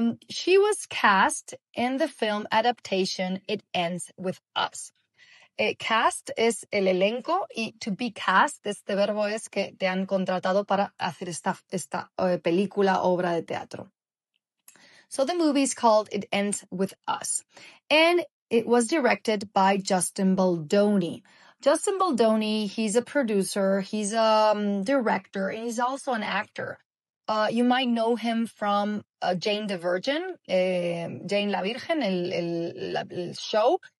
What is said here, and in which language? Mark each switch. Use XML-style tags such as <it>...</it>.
<en>She was cast in the film adaptation It Ends With Us.</en> <es>Cast es el elenco y to be cast, este verbo es que te han contratado para hacer esta película, obra de teatro.</es> <en>So the movie is called It Ends With Us. And it was directed by Justin Baldoni. Justin Baldoni, he's a producer, he's a director, and he's also an actor. You might know him from Jane the Virgin, Jane la Virgen,</en> <es>el show.</es>